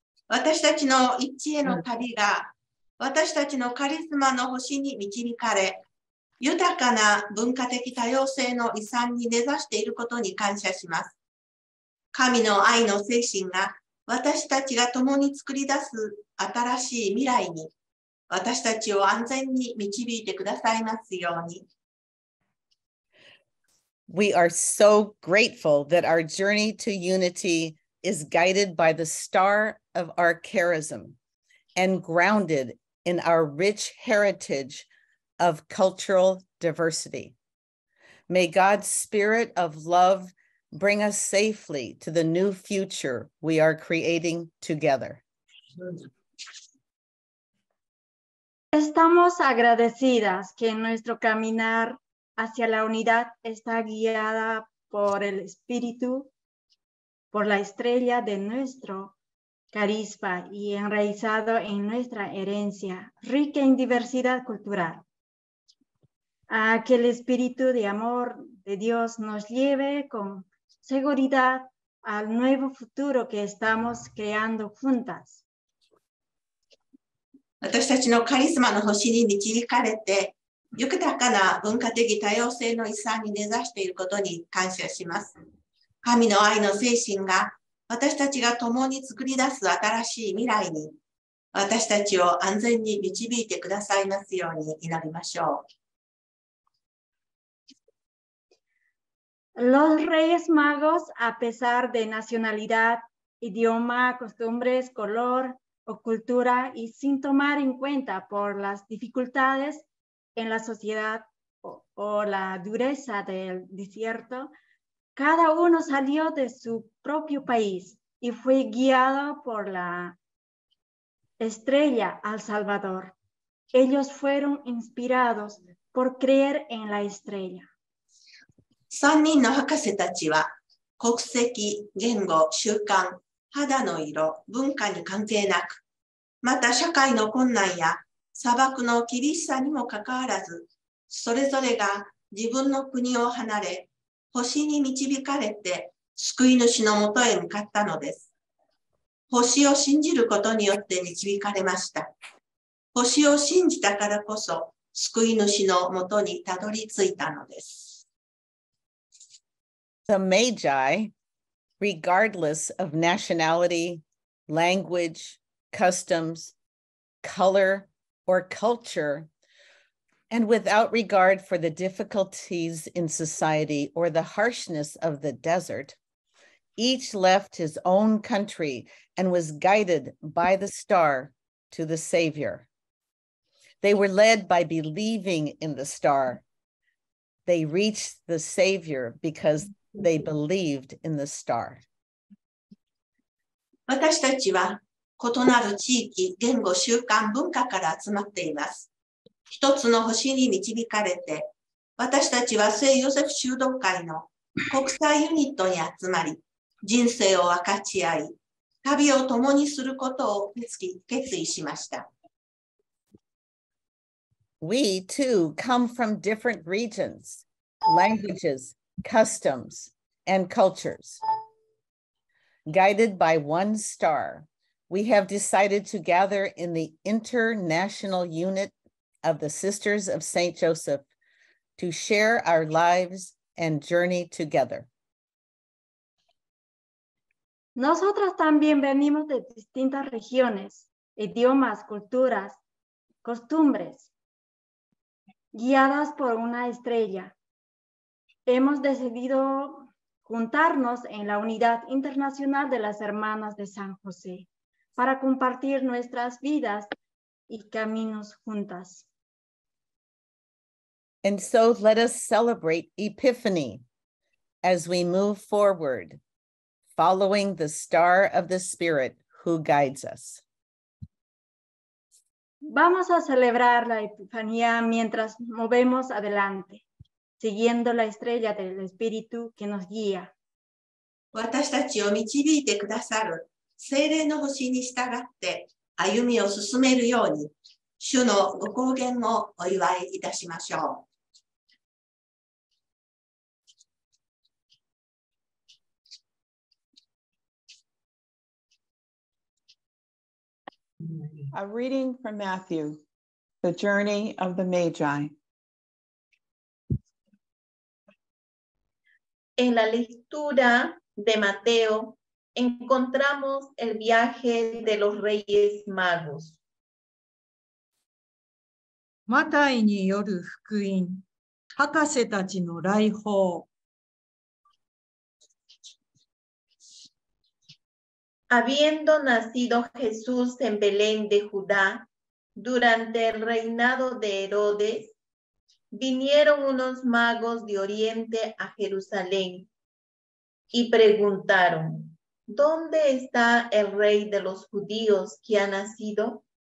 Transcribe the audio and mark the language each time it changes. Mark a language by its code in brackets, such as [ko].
[ja] 私たちの一致への旅が私たちのカリスマの星に導かれ、豊かな文化的多様性の遺産に根ざしていることに感謝します。神の愛の精神が私たちが共に作り出す新しい未来に、私たちを安全に導いてくださいますように。 [en] We are so grateful that our journey to unity is guided by the star of our charism and grounded in our rich heritage of cultural diversity. May God's spirit of love bring us safely to the new future we are creating together. [es] Estamos agradecidas que nuestro caminar hacia la unidad está guiada por el espíritu, por la estrella de nuestro carisma y enraizado en nuestra herencia, rica en diversidad cultural. A que el espíritu de amor de Dios nos lleve con seguridad al nuevo futuro que estamos creando juntas. [ja] 私たちのカリスマの星に導かれて、豊かな文化的多様性の遺産に根ざしていることに感謝します。神の愛の精神が私たちが共に作り出す新しい未来に、私たちを安全に導いてくださいますように祈りましょう。 [es] Los Reyes Magos, a pesar de nacionalidad, idioma, costumbres, color,o cultura y sin tomar en cuenta por las dificultades en la sociedad o la dureza del desierto, cada uno salió de su propio país y fue guiado por la estrella al Salvador. Ellos fueron inspirados por creer en la estrella. [ja] 3人の博士たちは国籍、言語、習慣、肌の色、文化に関係なく、また社会の困難や砂漠の厳しさにもかかわらず、それぞれが自分の国を離れ、星に導かれて救い主のもとへ向かったのです。星を信じることによって導かれました。星を信じたからこそ救い主のもとにたどり着いたのです。 [en] The Magi, regardless of nationality, language,customs, color, or culture, and without regard for the difficulties in society or the harshness of the desert, each left his own country and was guided by the star to the Savior. They were led by believing in the star. They reached the Savior because they believed in the star. [ja] 私たちは異なる地域、言語、習慣、文化から集まっています。一つの星に導かれて、私たちは聖ヨセフ修道会の国際ユニットに集まり、人生を分かち合い、旅を共にすることを決意しました。 [en] We too come from different regions, languages, customs, and cultures. Guided by one star, we have decided to gather in the international unit of the Sisters of Saint Joseph to share our lives and journey together. [es] Nosotras también venimos de distintas regiones, idiomas, culturas, costumbres, guiadas por una estrella. Hemos decidido juntarnos en la unidad internacional de las hermanas de San José para compartir nuestras vidas y caminos juntas. [en] And so let us celebrate Epiphany as we move forward, following the star of the Spirit who guides us. [es] Vamos a celebrar la Epifanía mientras movemos adelante, siguiendo la estrella del Espíritu que nos guía. [ja] 私たちを導いてくださる聖霊の星に従って歩みを進めるように、主のご光源をお祝いいたしましょう。 [en] A reading from Matthew, The Journey of the Magi. [es] En la lectura de Mateo, encontramos el viaje de los Reyes Magos. [ja] マタイによる福音、博士たちの来訪。 [es] Habiendo nacido Jesús en Belén de Judá, durante el reinado de Herodes, vinieron unos magos de Oriente a Jerusalén y preguntaron, ¿dónde está el rey de los judíos que ha nacido?